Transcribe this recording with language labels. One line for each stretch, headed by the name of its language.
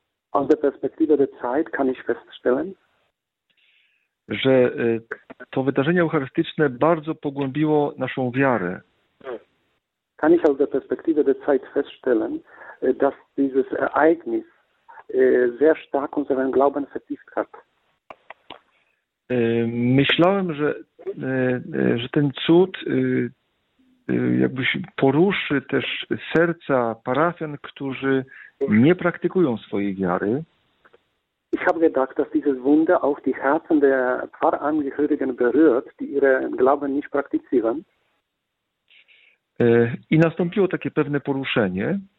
German: Aus der Perspektive der Zeit kann ich feststellen,
Polish: że to wydarzenie eucharystyczne bardzo pogłębiło naszą wiarę.
German: Kann ich aus der Perspektive der Zeit feststellen, dass dieses Ereignis sehr stark unseren Glauben vertieft hat.
Polish: Myślałem, że ten cud jakby poruszy też serca parafian, którzy nie praktykują swojej wiary.
German: Ich habe gedacht, dass dieses Wunder auch die Herzen der Pfarrangehörigen berührt, die ihren Glauben nicht praktizieren.
Polish: I nastąpiło takie pewne poruszenie.